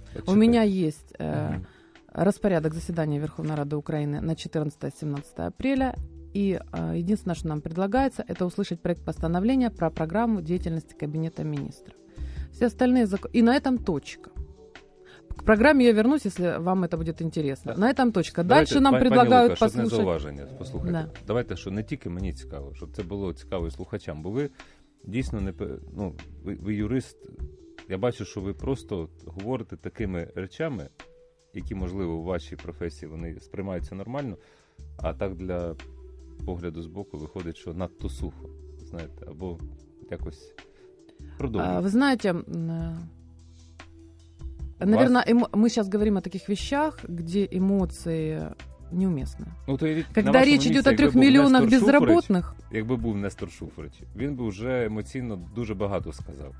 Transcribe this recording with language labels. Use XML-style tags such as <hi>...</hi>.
<ru>Почитай. У меня есть распорядок заседания Верховной Рады Украины на 14-17 апреля. И единственное, что нам предлагается, это услышать проект постановления про программу деятельности Кабинета министров. Все остальные законы... И на этом точка. К программе я вернусь, если вам это будет интересно. Да. На этом точка. Давайте, дальше нам предлагают Лука, послушать.</ru> <uk>Пані Лука, щоб не зауваження, послухайте. Да. Давайте, що не тільки мені цікаво, щоб це було цікаво і слухачам, бо ви дійсно не... Ну, ви юрист. Я бачу, що ви просто говорите такими речами, які, можливо, у вашій професії вони сприймаються нормально, а так для погляду з боку виходить, що надто сухо. Знаєте, або якось продовжуйте. Ви знаєте...</uk> <ru>Наверное, мы сейчас говорим о таких вещах, где эмоции неуместны. Ну, то, когда речь идет о 3 миллионах безработных... Как бы был Нестор Шуфрич, он бы уже эмоционально</ru> <uk>дуже багато</uk> <ru>сказал.</ru>